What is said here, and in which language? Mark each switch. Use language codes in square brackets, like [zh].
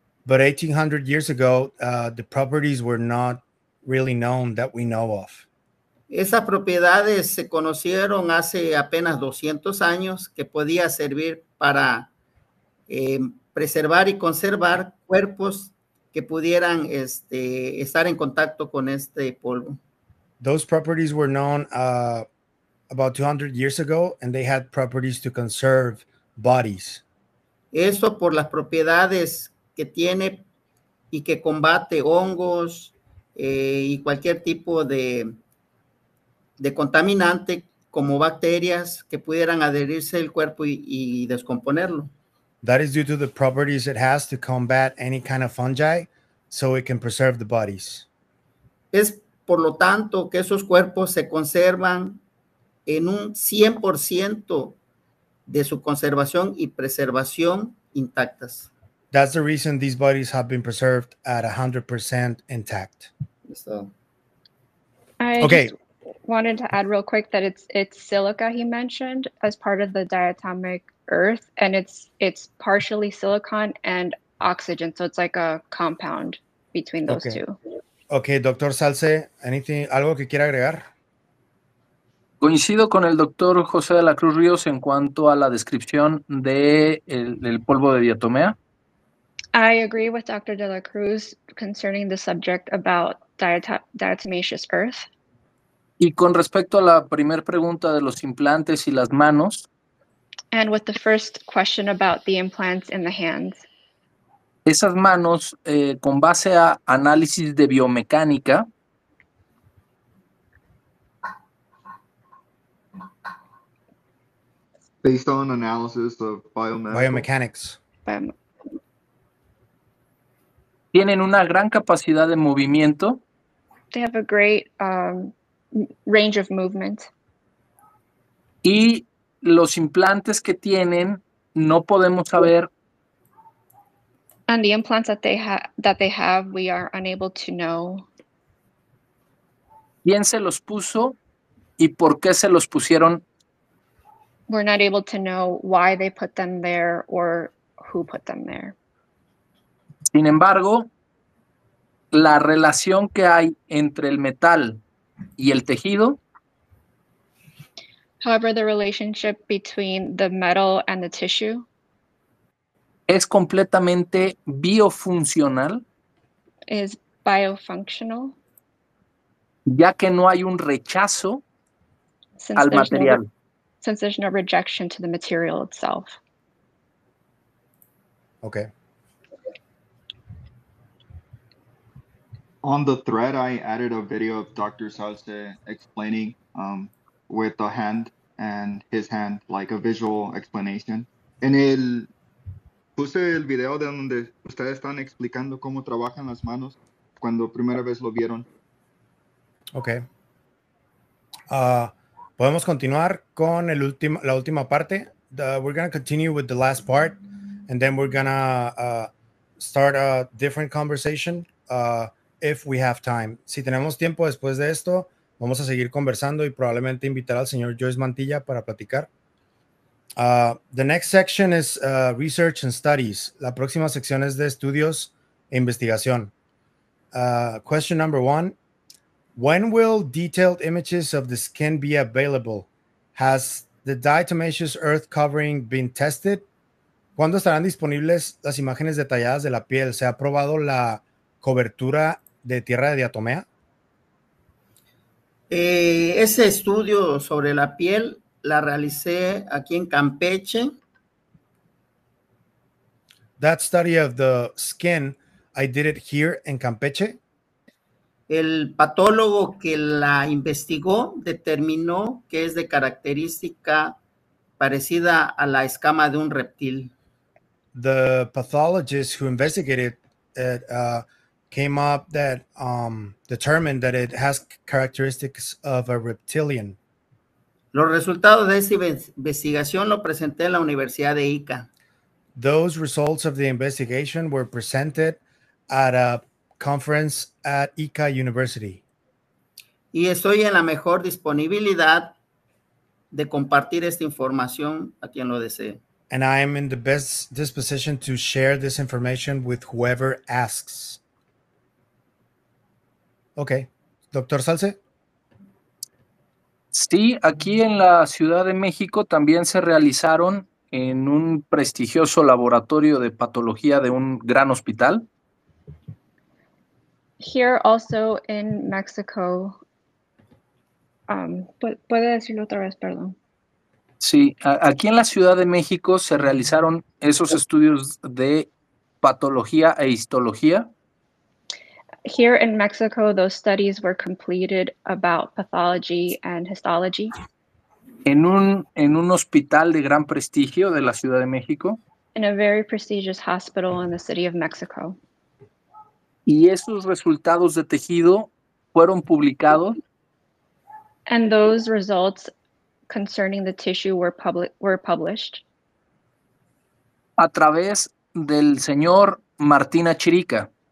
[en] But 1800 years ago, the properties were not really known that we know of. [es] Esas propiedades se conocieron hace apenas 200 años que podía servir para preservar y conservar cuerpos que pudieran estar en contacto con este polvo. [en] Those properties were known about 200 years ago, and they had properties to conserve bodies. [es] Eso por las propiedades que tiene y que combate hongos y cualquier tipo de contaminante como bacterias que pudieran adherirse al cuerpo y descomponerlo. [en] That is due to the properties it has to combat any kind of fungi so it can preserve the bodies. [es] Es por lo tanto que esos cuerpos se conservan en un 100% de su conservación y preservación intactas. [en] That's the reason these bodies have been preserved at 100% intact. Okay. Wanted to add real quick that it's silica he mentioned as part of the diatomic earth, and it's partially silicon and oxygen, so it's like a compound between those two. Okay, Dr. Salce, anything, [es] algo que quiera agregar? Coincido con el Dr. José de la Cruz Ríos en cuanto a la descripción de el polvo de diatomea. [en] I agree with Dr. De la Cruz concerning the subject about diatomaceous earth. [es] Y con respecto a la primera pregunta de los implantes y las manos. [en] And with the first question about the implants in the hands. [es] Esas manos, con base a análisis de biomecánica. [en] Based on analysis of biomedical. Biomechanics. [es] Tienen una gran capacidad de movimiento. [en] They have a great range of movement. [es] Y los implantes que tienen no podemos saber. [en] And the implants that they have, we are unable to know. [es] ¿Quién se los puso y por qué se los pusieron? [en] We're not able to know why they put them there or who put them there. [es] Sin embargo, la relación que hay entre el metal y el tejido. [en] However, the relationship between the metal and the tissue [es] es completamente biofuncional. [en] Is biofunctional. [es] Ya que no hay un rechazo al material. [en] Since there's no rejection to the material itself. Okay. On the thread, I added a video of Dr. Sauce explaining with the hand and his hand, like a visual explanation. [es] En el puse el video de donde ustedes están explicando cómo trabajan las manos cuando primera vez lo vieron. [en] Okay. [es] Podemos continuar con el último, la última parte. [en] We're gonna continue with the last part, and then we're gonna start a different conversation. If we have time. [es] Si tenemos tiempo después de esto, vamos a seguir conversando y probablemente invitar al señor Joyce Mantilla para platicar. [en] The next section is research and studies. [es] La próxima sección es de estudios e investigación. [en] Question number one. When will detailed images of the skin be available? Has the diatomaceous earth covering been tested? [es] ¿Cuándo estarán disponibles las imágenes detalladas de la piel? ¿Se ha probado la cobertura de tierra de diatomea? Ese estudio sobre la piel la realicé aquí en Campeche. [en] That study of the skin, I did it here in Campeche. [es] El patólogo que la investigó determinó que es de característica parecida a la escama de un reptil. [en] The pathologist who investigated it came up that determined that it has characteristics of a reptilian. [es] Los resultados de esa investigación lo presenté en la Universidad de Ica. [en] Those results of the investigation were presented at a conference at Ica University. [es] Y estoy en la mejor disponibilidad de compartir esta información a quien lo desee. [en] And I am in the best disposition to share this information with whoever asks. Okay. Doctor Salce. [es] Sí, aquí en la Ciudad de México también se realizaron en un prestigioso laboratorio de patología de un gran hospital. [en] Here also in Mexico. [es] ¿Puede decirlo otra vez? Perdón. Sí, aquí en la Ciudad de México se realizaron esos estudios de patología e histología. [en] Here in Mexico, those studies were completed about pathology and histology. [es] en un hospital de gran prestigio de la Ciudad de México. [en] In a very prestigious hospital in the city of Mexico. [es] Y esos resultados de tejido fueron publicados. [en] And those results concerning the tissue were published. [es] A través del señor Martina Chirica.